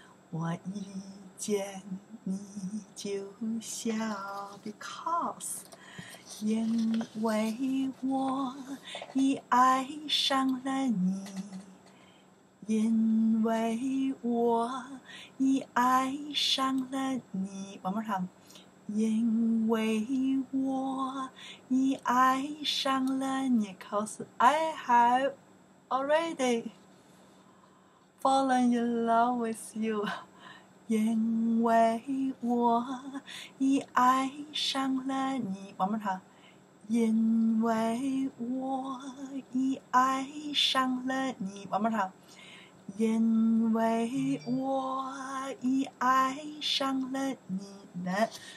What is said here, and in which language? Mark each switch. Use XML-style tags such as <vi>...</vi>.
<zh>我一见你就笑 ，</zh> <en>because，</en> <zh>因为我已爱上了你，因为我已爱上了你。</zh> <en>One more time。</en> <zh>因为我已爱上了你</zh> <en>，cause I have already fallen in love with you。</en> <zh>因为我已爱上了你 ，</zh> <en>one more time。</en> <zh>因为我已爱上了你 ，</zh> <en>one more time。</en> <zh>因为我已爱上了你呢。</zh>